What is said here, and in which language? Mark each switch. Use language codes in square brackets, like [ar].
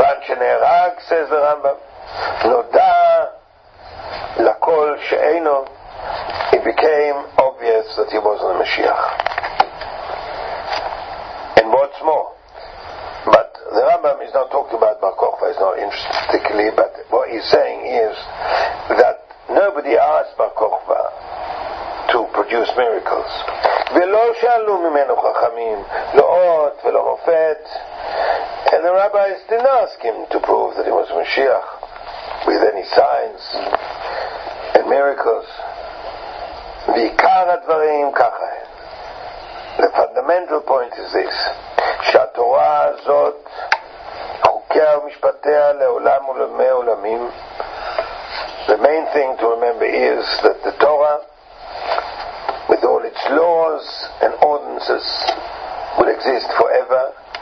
[he] שנהרג, [en] says the Rambam, [he] נודע לכל שאינו, [en] it became obvious that he wasn't a Mashiach. And what's more, but the Rambam is not talking about Bar Kokhba, he's not interested particularly, but what he's saying is that nobody asked Bar Kokhba to produce miracles. [he] ולא שאלו ממנו חכמים, לא אות ולא מופת. [en] And the rabbis didn't ask him to prove that he was Mashiach with any signs and miracles. [he] ועיקר הדברים ככה. [en] The fundamental point is this, [he] שהתורה הזאת, חוקיה ומשפטיה לעולם ולמי עולמים. [en] The main thing to remember is that the Torah, with all its laws and ordinances, will exist forever.